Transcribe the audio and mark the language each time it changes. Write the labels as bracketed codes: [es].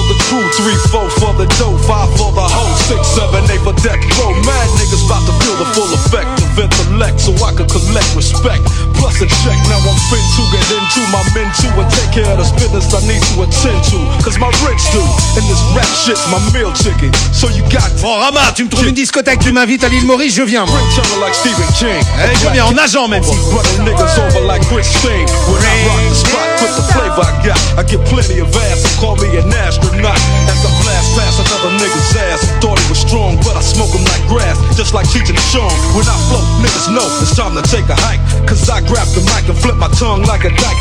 [en] For the dough, five for the hoe, six, seven, eight for deck, bro. Mad niggas bout to feel the full effect of intellect, so I can collect respect. Plus a check, now I'm fin to get into my men too and take care of this business I need to attend to. Cause my rich do, and this rap shit's my meal ticket. So you got to. [fr] Bon, Rama, tu me trouves une discothèque, tu m'invites à l'île Maurice, je viens. [en] Bring channel like Stephen King. [fr] Hey, je viens en nageant même si. [en] Running niggas over like Christine. When I rock the spot with the flavor I got, I get plenty of ass, so call me an astronaut. Past another nigga's ass, thought he was strong, but I smoke him like grass, just like Cheech and Chong. When I float, niggas know it's time to take a hike, cause I grab the mic and flip my tongue like a dyke.